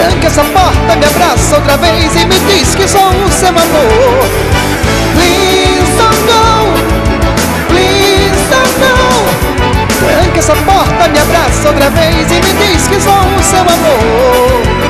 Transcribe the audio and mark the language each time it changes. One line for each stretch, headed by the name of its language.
Portuguese: Essa porta me abraça outra vez e me diz que sou o seu amor.
English: Please don't go, please don't go.
Portuguese: Tranca essa porta, me abraça outra vez e me diz que sou o seu amor.